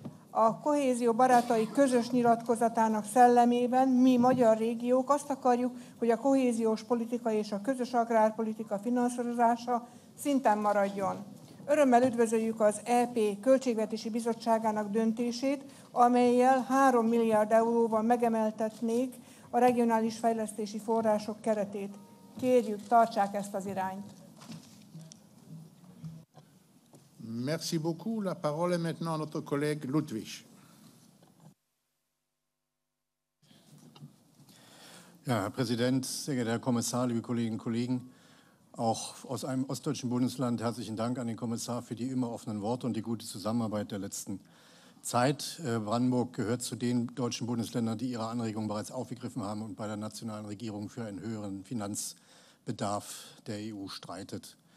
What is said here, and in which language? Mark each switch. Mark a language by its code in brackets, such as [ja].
[hu] A kohézió barátai közös nyilatkozatának szellemében mi magyar régiók azt akarjuk, hogy a kohéziós politika és a közös agrárpolitika finanszírozása szinten maradjon. Örömmel üdvözöljük az EP Költségvetési Bizottságának döntését, amellyel 3 milliárd euróval megemeltetnék a regionális fejlesztési források keretét. Kérjük, tartsák ezt az irányt. [fr] Merci beaucoup. La parole est maintenant à notre collègue Ludwig. [de] Ja, Herr Präsident, sehr geehrter Herr Kommissar, liebe Kolleginnen und Kollegen. Auch aus einem ostdeutschen Bundesland herzlichen Dank an den Kommissar für die immer offenen Worte und die gute Zusammenarbeit der letzten Zeit. Brandenburg gehört zu den deutschen Bundesländern, die ihre Anregungen bereits aufgegriffen haben und bei der nationalen Regierung für einen höheren Finanzbedarf der EU streitet.